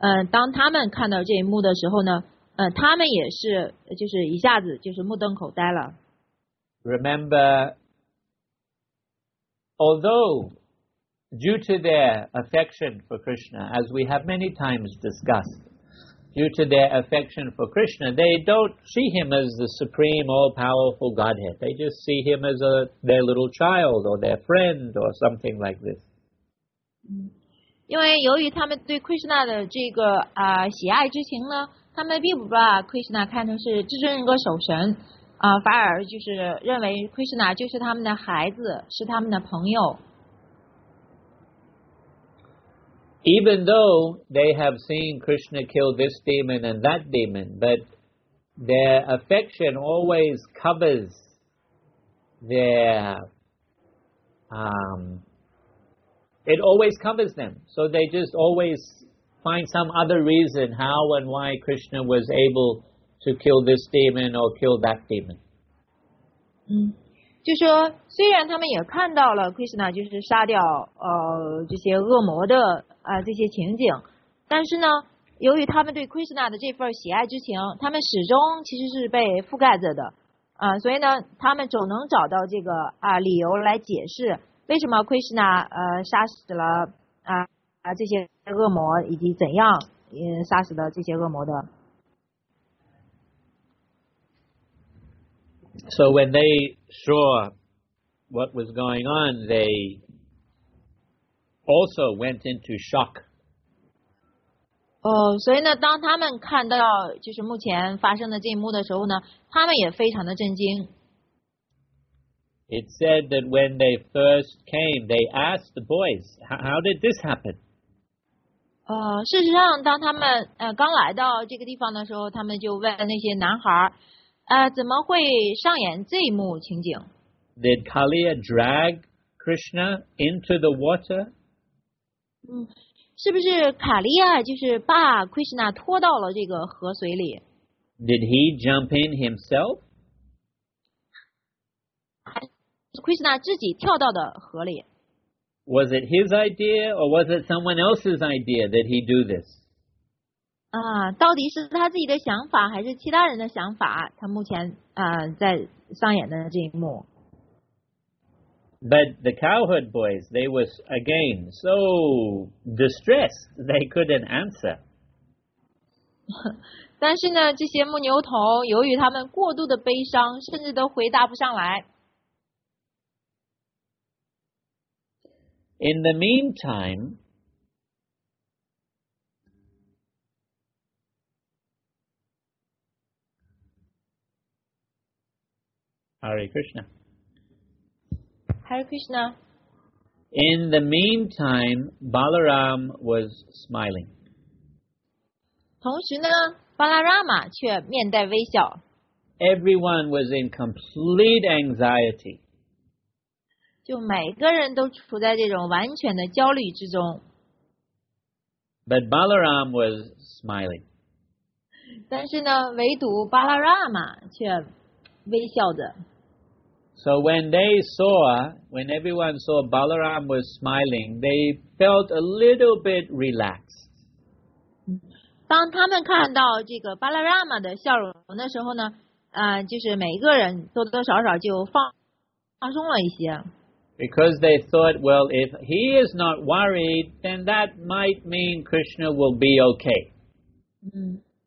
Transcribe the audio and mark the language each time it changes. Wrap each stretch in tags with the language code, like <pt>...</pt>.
<zh>当他们看到这一幕的时候呢，他们也是就是一下子就是目瞪口呆了。</zh> <en>Remember, although due to their affection for Krishna, as we have many times discussed, due to their affection for Krishna, they don't see him as the supreme, all-powerful Godhead. They just see him as their little child or their friend or something like this.</en> <zh>因为由于他们对 Krishna 的这个喜爱之情呢，他们并不把 Krishna 看成是至尊人格守神反而就是认为 Krishna 就是他们的孩子，是他们的朋友。</zh> <en>Even though they have seen Krishna kill this demon and that demon, but their affection always covers their It always covers them. So they just always find some other reason how and why Krishna was able to kill this demon or kill that demon.</en> <zh>就说虽然他们也看到了 Krishna 就是杀掉这些恶魔的这些情景，但是呢，由于他们对 Krishna 的这份喜爱之情，他们始终其实是被覆盖着的所以呢，他们总能找到这个理由来解释为什么 Krishna 杀死了这些恶魔，以及怎样杀死了这些恶魔的。</zh> <en>So when they saw what was going on, they also went into shock.</en> <zh>所以呢，当他们看到就是目前发生的这一幕的时候呢，他们也非常的震惊。</zh> <en>It said that when they first came, they asked the boys, "How did this happen?"</en> <zh>事实上，当他们刚来到这个地方的时候，他们就问那些男孩，怎么会上演这一幕情景？</zh> <en>Did Kaliya drag Krishna into the water?</en> <zh>是不是卡利亚就是把 Krishna 拖到了这个河水里？</zh> <en>Did he jump in himself?</en> <zh>Krishna 自己跳到的河里。</zh> <en>Was it his idea or was it someone else's idea that he do this?</en> <zh>到底是他自己的想法还是其他人的想法？他目前在上演的这一幕。</zh> <en>But the cowherd boys, they were again so distressed they couldn't answer.</en> <zh>但是呢，这些牧牛童由于他们过度的悲伤，甚至都回答不上来。</zh> <en>In the meantime, Hare Krishna. Hare Krishna. In the meantime, Balaram was smiling.</en> <zh>同时呢，巴拉拉玛却面带微笑。</zh> <en>Everyone was in complete anxiety.</en> <zh>就每个人都处在这种完全的焦虑之中。</zh> <en>But Balaram was smiling.</en> <zh>但是呢，唯独巴拉拉玛却微笑着。</zh> <en>So when everyone saw Balaram was smiling, they felt a little bit relaxed.</en> <zh>当他们看到这个巴拉拉玛的笑容的时候呢，就是每一个人多多少少就放松了一些。</zh> <en>Because they thought, well, if he is not worried, then that might mean Krishna will be okay.</en>